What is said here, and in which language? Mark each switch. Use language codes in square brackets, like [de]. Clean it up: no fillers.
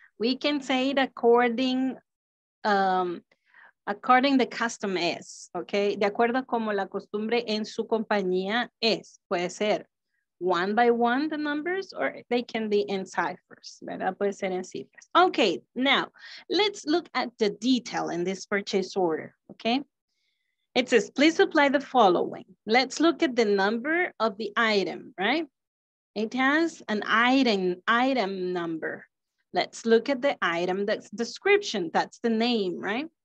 [en] We can say it according according the custom is, okay? [es] De acuerdo como la costumbre en su compañía es, puede ser. [en] One by one, the numbers, or they can be in ciphers, [es] ¿verdad? Puede ser en cifras. [en] Okay, now, let's look at the detail in this purchase order, okay? It says, please supply the following. Let's look at the number of the item, right? It has an item number. Let's look at the item, that's description, that's the name, right?